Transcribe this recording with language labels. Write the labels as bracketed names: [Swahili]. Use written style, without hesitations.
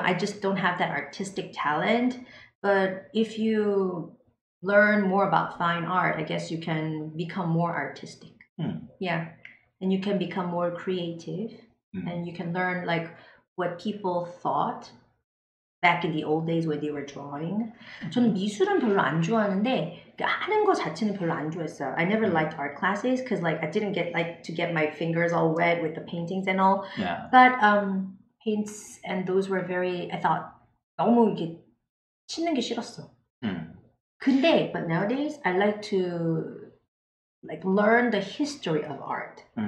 [English] I just don't have that artistic talent. But if you learn more about fine art, I guess you can become more artistic. Yeah. And you can become more creative. And you can learn like what people thought. Back in the old days when they were drawing. [Korean] 저는 미술은 별로 안 좋아하는데 하는 거 자체는 별로 안 좋아했어요. [English] I never liked art classes because like I didn't get like to get my fingers all wet with the paintings and all. Yeah. But paints and those were very, I thought, [Korean] 너무 이렇게 씻는 게 싫었어. [English] 근데 but nowadays I like to like learn the history of art.